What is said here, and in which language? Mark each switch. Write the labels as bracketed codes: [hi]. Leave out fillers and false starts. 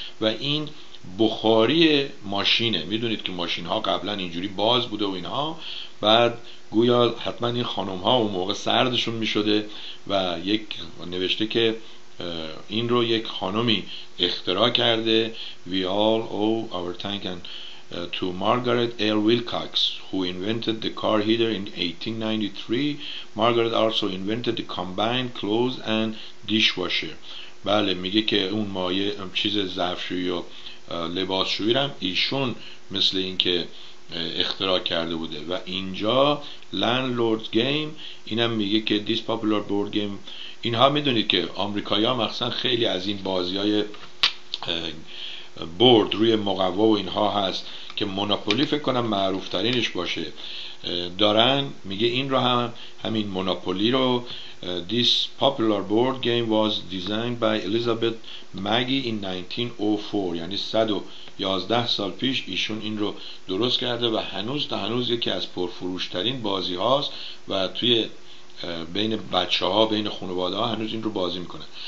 [fa] و این بخاری ماشینه، میدونید که ماشین ها قبلا اینجوری باز بوده و اینها، بعد گویا حتما این خانم ها اون موقع سردشون میشده و یک نوشته که این رو یک خانمی اختراع کرده. [en] We all owe our thanks to Margaret L. Wilcox who invented the car heater in 1893. Margaret also invented the combined clothes and dishwasher. [fa] بله، میگه که اون مایه چیز ظرفشویی و لباسشویی رو ایشون مثل این که اختراع کرده بوده. و اینجا Landlord's Game، اینم میگه که [en] this popular board game. [fa] اینها میدونید که آمریکایی‌ها مخصوصا خیلی از این بازی‌های بورد روی مقوا و اینها هست که موناپولی فکر کنم معروف ترینش باشه دارن. میگه این رو هم همین موناپولی رو، [en] this popular board game was designed by Elizabeth Maggie in 1904، [fa] یعنی 111 سال پیش ایشون این رو درست کرده و هنوز تا هنوز یکی از پرفروش ترین بازی هاست و توی بین بچه ها، بین خانواده ها هنوز این رو بازی میکنن.